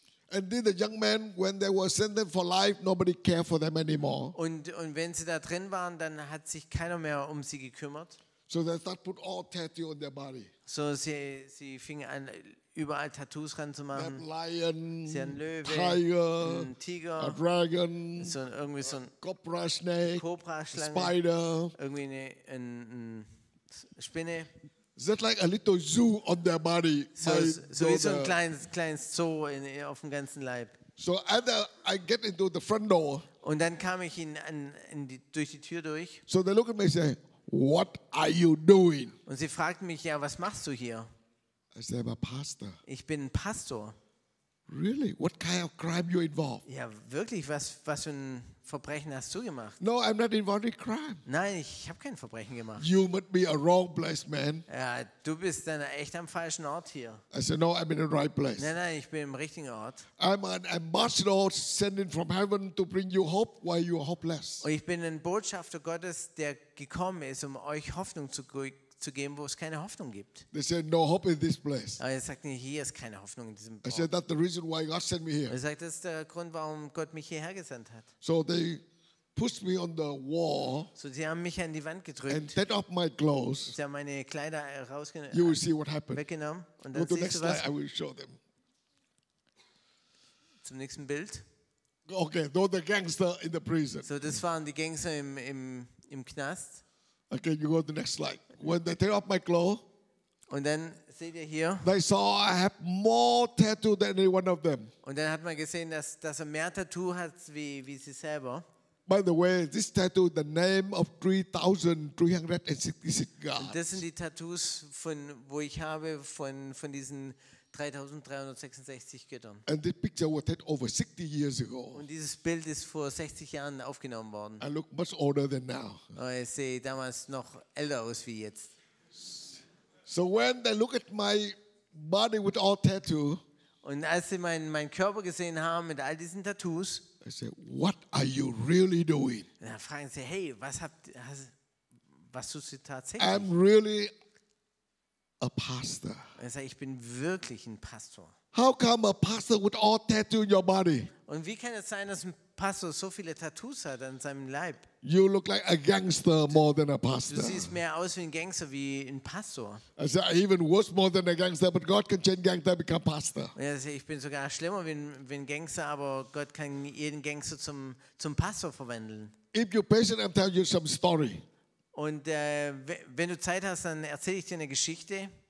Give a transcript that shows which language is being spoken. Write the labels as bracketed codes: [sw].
[en] And then the young men, when they were sentenced for life, nobody cared for them anymore. [de] Und wenn sie da drin waren, dann hat sich keiner mehr um sie gekümmert. [en] So they start put all tattoo on their body. [de] So sie fingen an, überall Tattoos ran zu machen. [en] Lion, [de] sie haben Löwe, [en] Tiger, [de] Tiger, [en] a Dragon, [de] so irgendwie so ein [en] Cobra Snake, [de] Cobra Schlange, [en] Spider, [de] irgendwie ein Spinne. [en] That's like a little zoo on their body. [de] So wie so ein kleines Zoo auf dem ganzen Leib. [en] So I get into the front door. [de] Und dann kam ich durch die Tür durch. [en] So they look at me and say, what are you doing? [de] Und sie fragten mich, ja, was machst du hier? [en] I say, I'm a pastor. [de] Ich bin ein Pastor. [en] Really? What kind of crime you involved? [de] Ja, wirklich, was für ein Verbrechen hast du gemacht? [en] No, I'm not involved in crime. [de] Nein, ich habe kein Verbrechen gemacht. [en] You must be a wrong place, man. [de] Ja, du bist dann echt am falschen Ort hier. [en] I said, no, I'm in the right place. [de] Nein, ich bin im richtigen Ort. [en] I'm an ambassador sending from heaven to bring you hope while you're hopeless. [de] Und ich bin ein Botschafter Gottes, der gekommen ist, um euch Hoffnung zu geben, wo es keine Hoffnung gibt. [en] They said, no hope in this place. [de] Aber er sagt, hier ist keine Hoffnung in diesem Ort. [en] I said, that's the reason why God sent me here. [de] Er sagt, das ist der Grund, warum Gott mich hierher gesandt hat. [en] So they pushed me on the wall. [de] So sie haben mich an die Wand gedrückt. [en] And take off my clothes. [de] Sie haben meine Kleider rausgenommen. [en] You will see what happened. [de] Weggenommen. Und dann siehst du was. [en] I will show them. [de] Zum nächsten Bild. [en] Okay, those the gangster in the prison. [de] So das waren die Gangster im Knast. [en] Okay, you go to the next slide. When they take off my clothes, [de] und dann seht ihr hier, [en] they saw I have more tattoo than any one of them. [de] Und dann hat man gesehen, dass er mehr Tattoo hat wie sie selber. [en] By the way, this tattoo, the name of 3,366 gods. [de] Das sind die Tattoos von diesen 3,366 Göttern. [en] And this picture was taken over 60 years ago. [de] Und dieses Bild ist vor 60 Jahren aufgenommen worden. [en] I look much older than now. [de] Ich sehe damals noch älter aus wie jetzt. [en] So when they look at my body with all tattoo, [de] und als sie meinen Körper gesehen haben mit all diesen Tattoos, [en] I say, what are you really doing? [de] Da fragen sie, hey, was tust du tatsächlich? [en] I'm really a pastor. [de] Er sagt, ich bin wirklich ein Pastor. [en] How come a pastor with all tattoo in your body? [de] Und wie kann es sein, dass ein Pastor so viele Tattoos hat an seinem Leib. [en] You look like a gangster more than a pastor. [de] Du siehst mehr aus wie ein Gangster wie ein Pastor. [en] I said, I even worse more than a gangster, but God can change gangster become pastor. [de] Ich bin sogar schlimmer wie ein Gangster, aber Gott kann jeden Gangster zum Pastor verwandeln. [en] If you're patient, I'll tell you some story. [de] Und wenn du Zeit hast, dann erzähle ich dir eine Geschichte.